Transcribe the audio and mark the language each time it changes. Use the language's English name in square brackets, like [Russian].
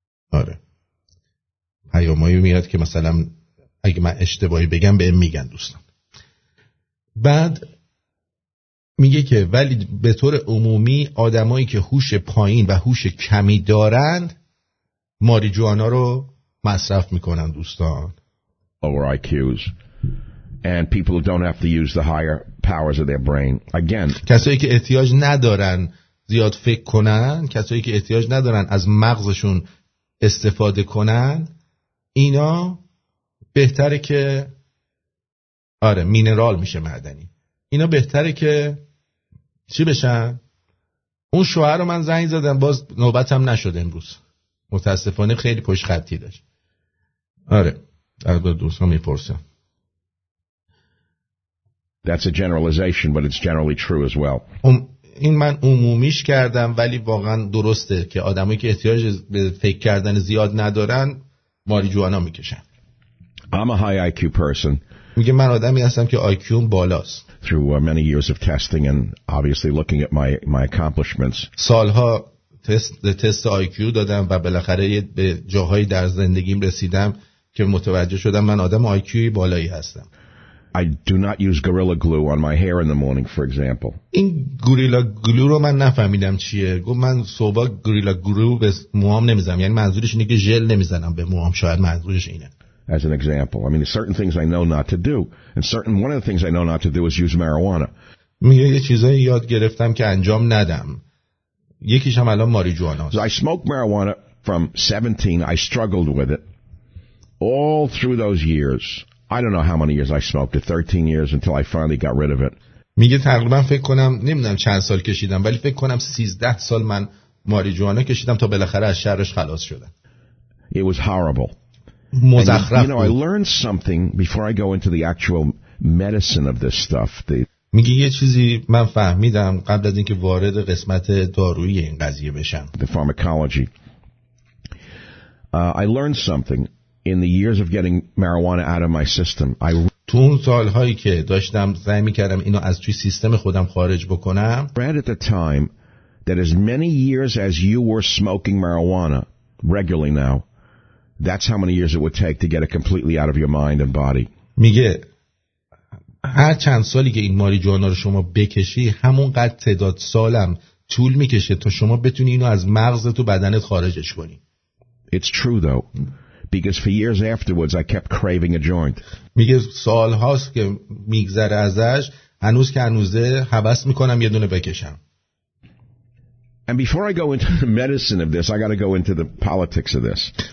[Persian] آره پیامایی میاد که مثلا اگه من اشتباهی بگم به میگن دوستان. بعد میگه که ولی به طور عمومی آدمایی که هوش پایین و هوش کمی دارند ماریجوانا رو مصرف میکنن دوستان. [English] Lower IQs and people who don't have to use the higher powers of their brain. Again, [Persian] کسایی که احتیاج ندارن زیاد فکر کنن، کسایی که احتیاج ندارن از مغزشون استفاده کنن، اینا بهتره که آره مینرال میشه معدنی. اینا بهتره که چی بشن؟ اون شوهر رو من زنگ زدم باز نوبتم نشد امروز. متاسفانه خیلی پشت خطی داشت. آره البته دوستان میپرسن. [English] That's a generalization but it's generally true as well. [Persian] این من عمومیش کردم ولی واقعا درسته که آدمایی که احتیاج به فکر کردن زیاد ندارن ماریجوانا میکشن. [English] I'm a high IQ person. [Persian] میگه من آدمی هستم که IQ بالاست. [English] Through many years of testing and obviously looking at my accomplishments. [Persian] سالها تست IQ دادم و بالاخره به جاهایی در زندگیم رسیدم که متوجه شدم من آدم IQ بالایی هستم. [English] I do not use Gorilla Glue on my hair in the morning, for example. [Persian] این گوریلا گلو رو من نفهمیدم چیه. گفت من صبح گوریلا گلو به موام نمیزنم. یعنی منظورش اینه که ژل نمیزنم به موام. شاید منظورش اینه. [English] As an example, I mean, certain things I know not to do, and certain one of the things I know not to do is use marijuana. [Persian] میگه یه چیزایی یاد گرفتم که انجام ندم. یکیش هم الان ماریجوانا. [English] So I smoked marijuana from 17. I struggled with it all through those years. I don't know how many years I smoked it, 13 years until I finally got rid of it. [Persian] میگه تقریبا فکر کنم نمیدونم چند سال کشیدم ولی فکر کنم 13 سال من ماریجوانا کشیدم تا بالاخره از شرش خلاص شدم. [English] It was horrible. [Persian] مزخرف. [English] And, you know, I learned something before I go into the actual medicine of this stuff. [Persian] میگه یه چیزی من فهمیدم قبل از اینکه وارد قسمت دارویی این قضیه بشم. [English] The pharmacology. I learned something. In the years of getting marijuana out of my system, I [Persian] تو اون سالهایی که داشتم سعی می‌کردم اینو از توی سیستم خودم خارج بکنم. [English] Read at the time that as many years as you were smoking marijuana regularly now, that's how many years it would take to get it completely out of your mind and body. [Persian] میگه هر چند سالی که این ماریجوانا رو شما بکشی همونقدر تعداد سالم طول میکشه تا شما بتونی اینو از مغزت و بدنت خارجش کنی. [English] It's true though. Because for years afterwards, I kept craving a joint. [Persian] میگه سالهاست که میگذره ازش، هنوز که هنوزه حبس میکنم یه دونه بکشم. [English] And before I go into the medicine of this, I got to go into the politics of this.